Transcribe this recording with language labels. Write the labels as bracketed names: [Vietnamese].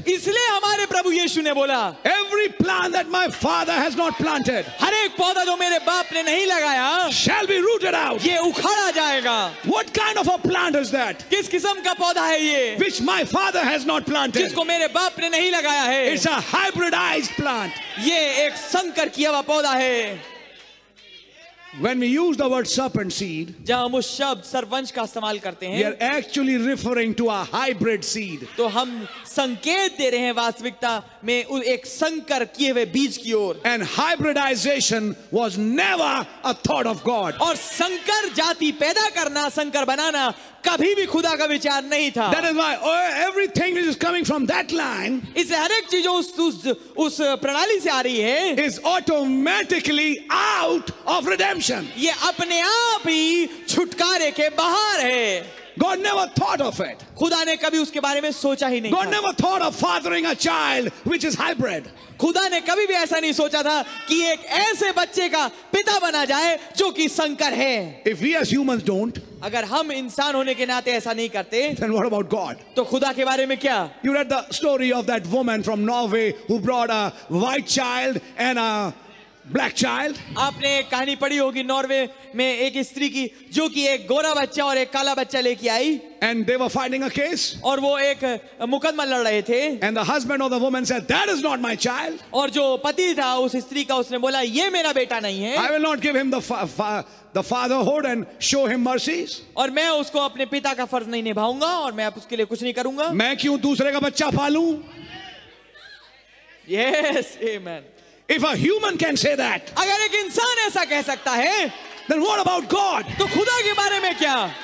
[Hindi] इसलिए हमारे प्रभु यीशु ने बोला, [English] Every plant that my father has not planted, [Hindi] हर एक पौधा जो मेरे बाप ने नहीं लगाया, [English] shall be rooted out. [Hindi] ये उखाड़ा जाएगा. [English] What kind of a plant is that? [Hindi] किस किस्म का पौधा है ये? [English] Which my father has not planted, [Hindi] जिसको मेरे बाप ने नहीं लगाया है. [English] It's a hybridized plant. [Hindi] ये एक संकर किया हुआ पौधा है. [English] When we use the word serpent seed, [Hindi] जब हम उस शब्द सर्पवंश का इस्तेमाल करते हैं, [English] we are actually referring to a hybrid seed. [Hindi] तो हम संकेत दे रहे हैं वास्तविकता में एक संकर किए हुए बीज की ओर. [English] And hybridization was never a thought of God. [Hindi] और संकर जाति पैदा करना, संकर बनाना, कभी भी खुदा का विचार नहीं था. [English] That is why everything which is coming from that line, [Hindi] इस हर एक चीज़ उस प्रणाली से आ रही है, [English] is automatically out of redemption. [Hindi] ये अपने आप ही छुटकारे के बाहर है. [English] God never thought of it. [Hindi] खुदा ने कभी उसके बारे में सोचा ही नहीं. [English] God never thought of fathering a child which is hybrid. [Hindi] खुदा ने कभी भी ऐसा नहीं सोचा था कि एक ऐसे बच्चे का पिता बना जाए जो कि संकर है. [English] If we as humans don't, [Hindi] अगर हम इंसान होने के नाते ऐसा नहीं करते, [English] then what about God? [Hindi] तो खुदा के बारे में क्या? [English] You read the story of that woman from Norway who brought a white child and a black child? [Hindi] आपने कहानी पढ़ी होगी नॉर्वे में एक स्त्री की जो कि एक गोरा बच्चा और एक काला बच्चा लेके आई. [English] And they were fighting a case. [Hindi] और वो एक मुकदमा लड़ रहे थे. [English] And the husband of the woman said, "That is not my child." [Hindi] और जो पति था उस स्त्री का, उसने बोला, ये मेरा बेटा नहीं है. [English] I will not give him the fatherhood and show him mercies. [Hindi] और मैं उसको अपने पिता का फर्ज नहीं निभाऊंगा और मैं उसके लिए कुछ नहीं करूंगा. मैं क्यों दूसरे का बच्चा पालू? [English] Yes, amen. If a human can say that, [Hindi] अगर एक इंसान ऐसा कह सकता है, [English] then what about God? [Hindi] तो खुदा के बारे में क्या?